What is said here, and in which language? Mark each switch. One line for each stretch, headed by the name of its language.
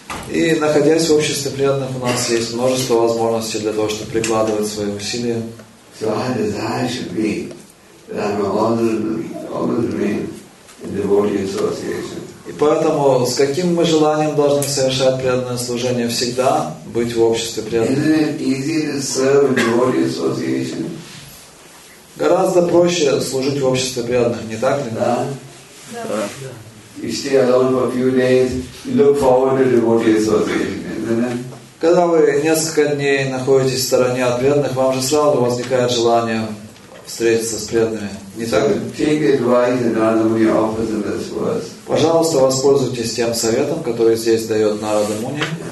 Russian: И находясь в обществе преданных, у нас есть множество возможностей для того, чтобы прикладывать свои усилия.
English: So our desire should be that I'm honored to be in devotee association.
Russian: И поэтому с каким мы желанием должны совершать преданное служение, всегда быть в обществе преданных?
English: Isn't it easy to serve in devotee association?
Russian: Гораздо проще служить в обществе преданных, не так ли?
English: Да. You stay alone for a few days. You look forward to devotee association.
Russian: Когда вы несколько дней находитесь в стороне от преданных, вам же сразу возникает желание встретиться с преданными. Не так ли?
English: Take advice and Narada Muni offers in this verse.
Russian: Пожалуйста, воспользуйтесь тем советом, который здесь дает Narada Muni.